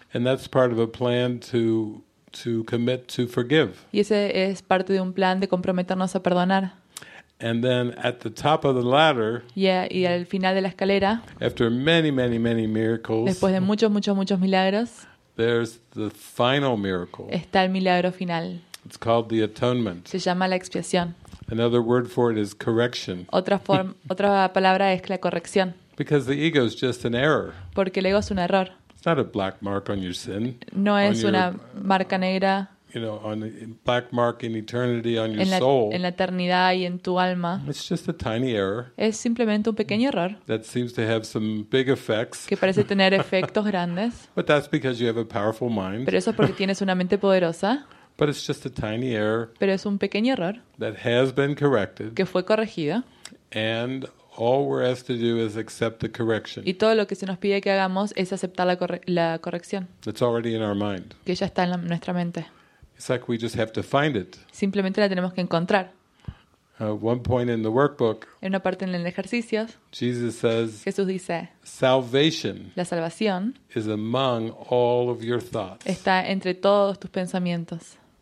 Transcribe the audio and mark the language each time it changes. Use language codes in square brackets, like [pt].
[en] And that's part of a plan to commit to forgive. [es] Y ese es parte de un plan de comprometernos a perdonar. [en] And then at the top of the ladder, [es] y al final de la escalera, [en] after many, many, many miracles, [es] después de muchos, muchos, muchos milagros, [en] there's the final miracle. [es] Está el milagro final. [en] It's called the atonement. [es] Se llama la expiación. [en] Another word for it is correction. [es] Otra palabra es la corrección. [en] Because the ego is just an error. [es] Porque el ego es un error. [en] It's not a black mark on your sin. [es] No es una marca negra. [en] You know, on black mark in eternity on your soul. [es] En la eternidad y en tu alma. [en] It's just a tiny error. [es] Es simplemente un pequeño error. [en] That seems to have some big effects. [es] Que parece tener efectos grandes. [en] But that's because you have a powerful mind. [es] Pero eso es porque tienes una mente poderosa. [en] But it's just a tiny error. [es] Pero es un pequeño error. [en] That has been corrected. [es] Que fue corregido. [en] And all we're asked to do is accept the correction. [es] Y todo lo que se nos pide que hagamos es aceptar la corrección. [en] That's already in our mind. [es] Que ya está en nuestra mente. [en] It's like we just have to find it. [es] Simplemente la tenemos que encontrar. [en] One point in the workbook. [es] En una parte en el ejercicio. [en] Jesus says. [es] Jesús dice. [en] Salvation. [es] La salvación. [en] Is among all of your thoughts. [es] Está entre todos tus pensamientos.